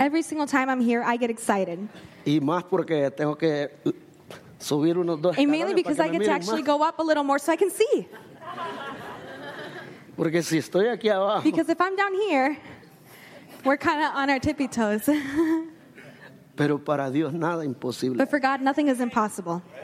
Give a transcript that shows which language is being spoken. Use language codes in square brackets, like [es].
[en] Every single time I'm here, I get excited. [es] Y más porque tengo que subir unos dos. [en] And mainly because I get to actually go up a little more so I can see. [es] Porque si estoy aquí abajo. [en] Because if I'm down here, we're kind of on our tippy toes. [es] Pero para Dios nada imposible. [en] But for God, nothing is impossible.